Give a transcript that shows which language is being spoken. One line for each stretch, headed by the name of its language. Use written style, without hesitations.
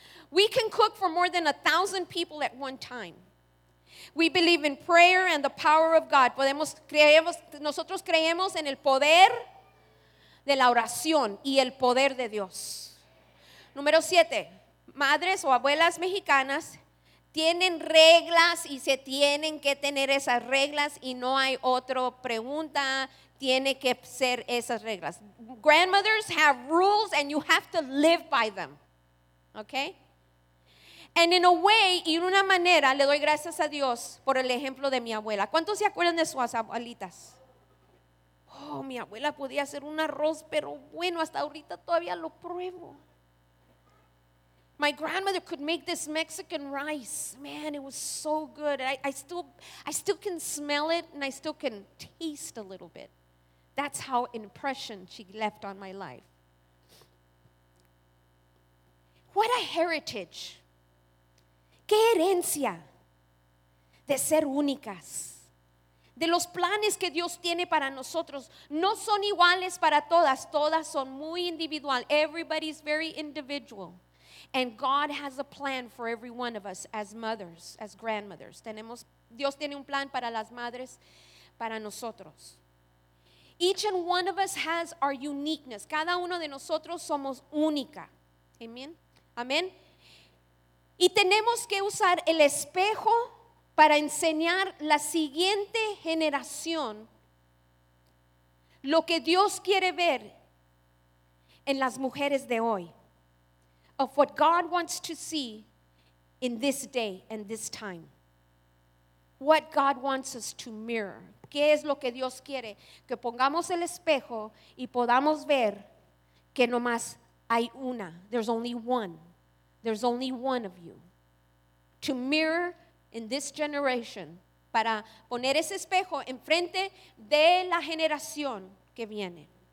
English: We can cook for more than 1,000 people at one time. We believe in prayer and the power of God.
Spanish: Nosotros creemos en el poder de la oración y el poder de Dios. Número 7. Madres o abuelas mexicanas tienen reglas y se tienen que tener esas reglas y no hay otra pregunta. Tiene que ser esas reglas.
English: Grandmothers have rules and you have to live by them. Okay? And in a way,
Spanish: y en una manera, le doy gracias a Dios por el ejemplo de mi abuela. ¿Cuántos se acuerdan de sus abuelitas? Oh, mi abuela podía hacer un arroz, pero bueno, hasta ahorita todavía lo pruebo.
English: My grandmother could make this Mexican rice. Man, it was so good. I still can smell it and I still can taste a little bit. That's how impression she left on my life. What a heritage.
Spanish: ¿Qué herencia de ser únicas? De los planes que Dios tiene para nosotros, no son iguales para todas. Todas son muy individual.
English: Everybody's very individual. And God has a plan for every one of us as mothers, as grandmothers.
Spanish: Dios tiene un plan para las madres, para nosotros.
English: Each and one of us has our uniqueness.
Spanish: Cada uno de nosotros somos única. Amen. Amen. Y tenemos que usar el espejo para enseñar la siguiente generación lo que Dios quiere ver en las mujeres de hoy.
English: Of what God wants to see in this day and this time. What God wants us to mirror.
Spanish: ¿Qué es lo que Dios quiere? Que pongamos el espejo y podamos ver que nomás hay una.
English: There's only one. There's only one of you. To mirror in this generation.
Spanish: Para poner ese espejo enfrente de la generación que viene.